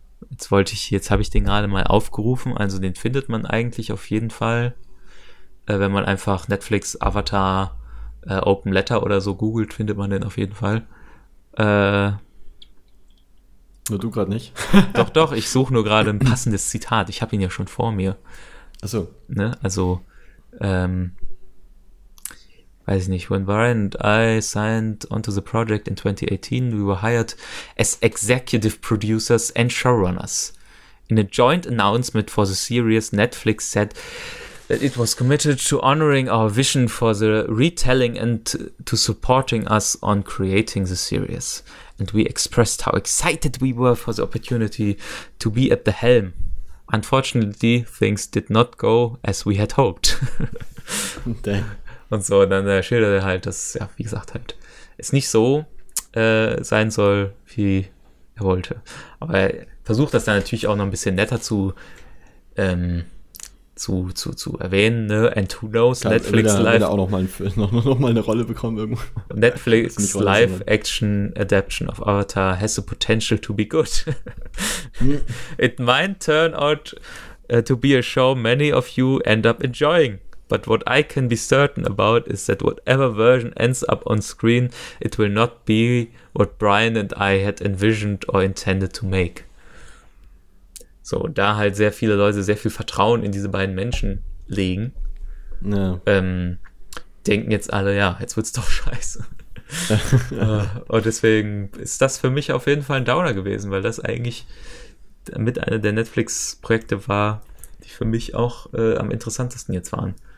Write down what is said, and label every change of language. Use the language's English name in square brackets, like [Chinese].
[German] Jetzt habe ich den gerade mal aufgerufen, also den findet man eigentlich auf jeden Fall, wenn man einfach Netflix Avatar Open Letter oder so googelt, findet man den auf jeden Fall. Nur du gerade nicht. Doch, ich suche nur gerade ein passendes Zitat, ich habe ihn ja schon vor mir. Ach so. Ne? Also, weiß ich nicht, [English] when Brian and I signed onto the project in 2018, we were hired as executive producers and showrunners. In a joint announcement for the series, Netflix said that it was committed to honoring our vision for the retelling and to supporting us on creating the series. And we expressed how excited we were for the opportunity to be at the helm. Unfortunately, things did not go as we had hoped. Damn. [German] Und so, und dann schildert er halt, dass, ja, wie gesagt, halt, es nicht so sein soll, wie er wollte. Aber er versucht das dann natürlich auch noch ein bisschen netter zu erwähnen, ne? [English] And who knows, [German] kann, Netflix will er, Live. Will er auch noch mal eine Rolle bekommen irgendwo. [English] Netflix Live Action Adaption of Avatar has the potential to be good. It might turn out to be a show many of you end up enjoying. But what I can be certain about is that whatever version ends up on screen, it will not be what Brian and I had envisioned or intended to make. [German] So, da halt sehr viele Leute sehr viel Vertrauen in diese beiden Menschen legen, denken jetzt alle, ja, jetzt wird's doch scheiße. Und deswegen ist das für mich auf jeden Fall ein Downer gewesen, weil das eigentlich mit einer der Netflix-Projekte war, die für mich auch am interessantesten jetzt waren.